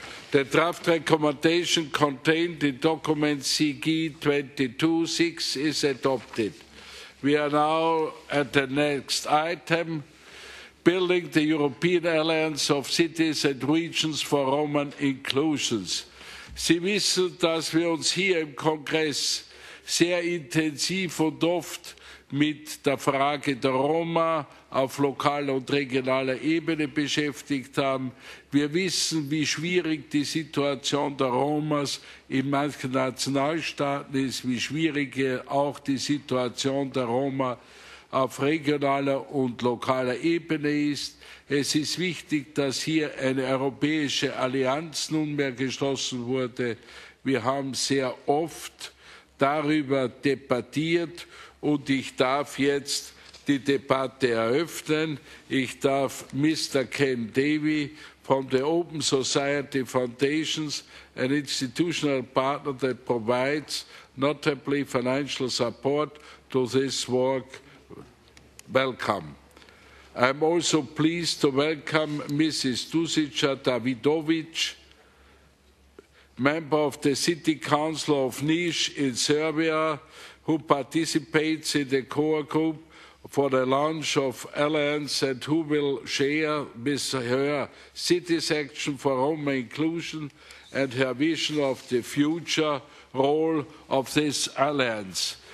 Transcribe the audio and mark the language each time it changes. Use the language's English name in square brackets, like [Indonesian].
[English] The draft recommendation contained in document CG 22-6 is adopted. We are now at the next item, building the European Alliance of Cities and Regions for Roman Inclusions. [German] Sie wissen, dass wir uns hier im Kongress sehr intensiv und oft mit der Frage der Roma auf lokaler und regionaler Ebene beschäftigt haben. Wir wissen, wie schwierig die Situation der Romas in manchen Nationalstaaten ist, wie schwierig auch die Situation der Roma auf regionaler und lokaler Ebene ist. Es ist wichtig, dass hier eine europäische Allianz nunmehr geschlossen wurde. Wir haben sehr oft darüber debattiert und ich darf jetzt die Debatte eröffnen. Ich darf Mr. [English] Ken Davy from the Open Society Foundations, an institutional partner that provides notably financial support to this work, welcome. I'm also pleased to welcome Mrs. Dusica Davidovic, member of the City Council of Niš in Serbia, who participates in the core group for the launch of Alliance and who will share with her city's action for Roma inclusion and her vision of the future role of this Alliance.